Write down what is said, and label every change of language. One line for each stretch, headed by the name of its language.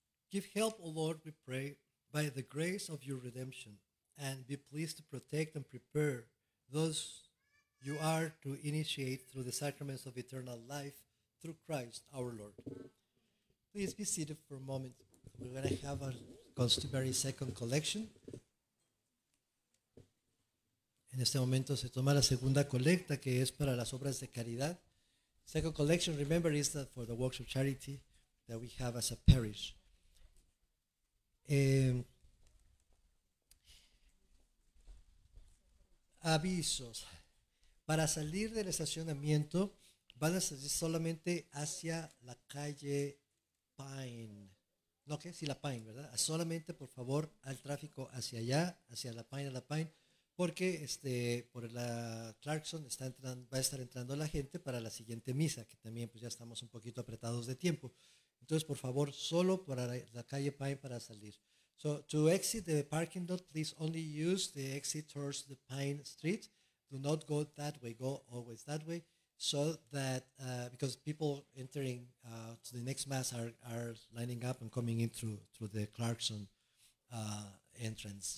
English: Give help, O Lord, we pray, by the grace of your redemption, and be pleased to protect and prepare those you are to initiate through the sacraments of eternal life through Christ our Lord. Please be seated for a moment. We're going to have our customary second collection.
Spanish: En este momento se toma la segunda colecta, que es para las obras de caridad.
English: Second collection, remember, is that for the works of charity that we have as a parish.
Spanish: Avisos. Para salir del estacionamiento, van a salir solamente hacia la calle Pine, no, que sí, la Pine, ¿verdad? Solamente, por favor, al tráfico hacia allá, hacia la Pine, a la Pine, porque por la Clarkson va a estar entrando la gente para la siguiente misa, que también pues ya estamos un poquito apretados de tiempo. Entonces, por favor, solo para la calle Pine para salir.
English: So, to exit the parking lot, please only use the exit towards the Pine Street. do not go that way, go always that way, so that because people entering to the next mass are lining up and coming in through the Clarkson entrance.